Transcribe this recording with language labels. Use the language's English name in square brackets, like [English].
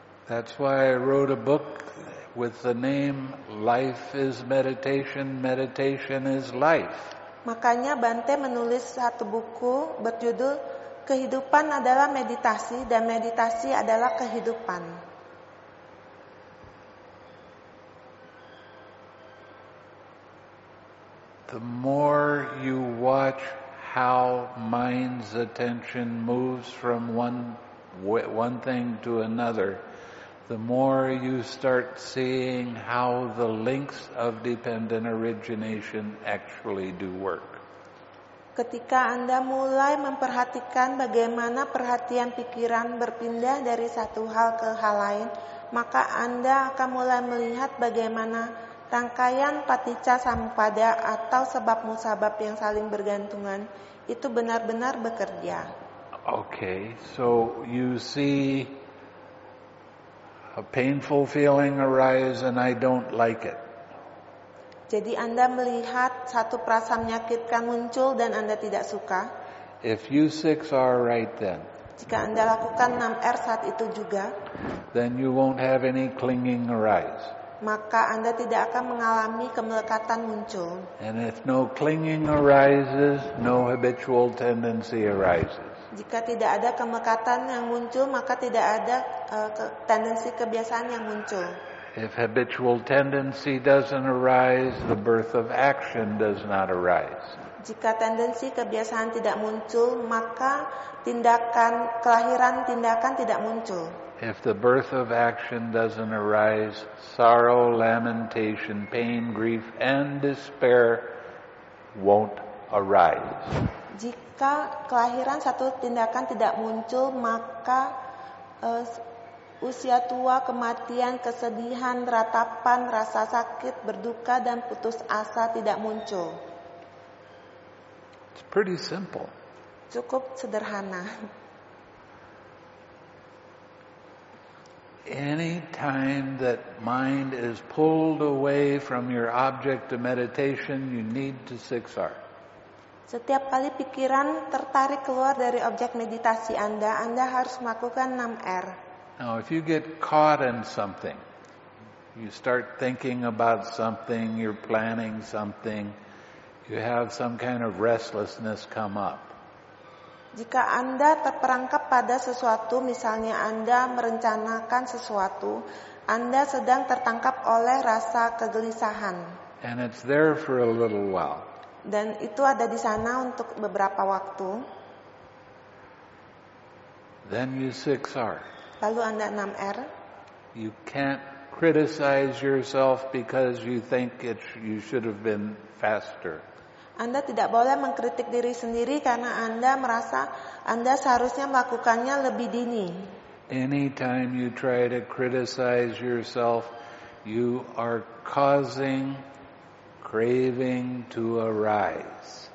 [English] That's why I wrote a book with the name Life is Meditation, Meditation is Life. [Indonesian] Makanya Bante menulis satu buku berjudul Kehidupan adalah meditasi dan meditasi adalah kehidupan. [English] The more you watch how mind's attention moves from one thing to another, the more you start seeing how the links of dependent origination actually do work. [Indonesian] Ketika Anda mulai memperhatikan bagaimana perhatian pikiran berpindah dari satu hal ke hal lain, maka Anda akan mulai melihat bagaimana rangkaian paticca sampada atau sebab musabab yang saling bergantungan itu benar-benar bekerja. [English] Okay, so you see a painful feeling arise and I don't like it. [Indonesian] Jadi Anda melihat satu perasaan menyakitkan muncul dan Anda tidak suka. [English] If you six are right then. [Indonesian] Jika Anda lakukan 6R saat itu juga, [English] then you won't have any clinging arise. [Indonesian] Maka Anda tidak akan mengalami kemelekatan muncul. [English] And if no clinging arises, no habitual tendency arises. [Indonesian] Jika tidak ada kemelekatan yang muncul, maka tidak ada tendensi kebiasaan yang muncul. [English] If habitual tendency doesn't arise, the birth of action does not arise. [Indonesian] Jika tendensi kebiasaan tidak muncul, maka tindakan kelahiran tindakan tidak muncul. [English] If the birth of action doesn't arise, sorrow, lamentation, pain, grief, and despair won't arise. [Indonesian] Jika kelahiran satu tindakan tidak muncul, maka usia tua, kematian, kesedihan, ratapan, rasa sakit, berduka, dan putus asa tidak muncul. [English] It's pretty simple. [Indonesian] Cukup sederhana. [English] Any time that mind is pulled away from your object of meditation, you need to 6R. [Indonesian] Setiap kali pikiran tertarik keluar dari objek meditasi Anda, Anda harus melakukan 6R. [English] Now, if you get caught in something, you start thinking about something, you're planning something, you have some kind of restlessness come up. [Indonesian] Jika Anda terperangkap pada sesuatu, misalnya Anda merencanakan sesuatu, Anda sedang tertangkap oleh rasa kegelisahan. [English] And it's there for a little while. [Indonesian] Dan itu ada di sana untuk beberapa waktu. [English] Then you 6R. [Indonesian] Lalu Anda 6R. [English] You can't criticize yourself because you think you should have been faster. [Indonesian] Anda tidak boleh mengkritik diri sendiri karena Anda merasa Anda seharusnya melakukannya lebih dini. [English] Anytime you try to criticize yourself, you are causing craving to arise.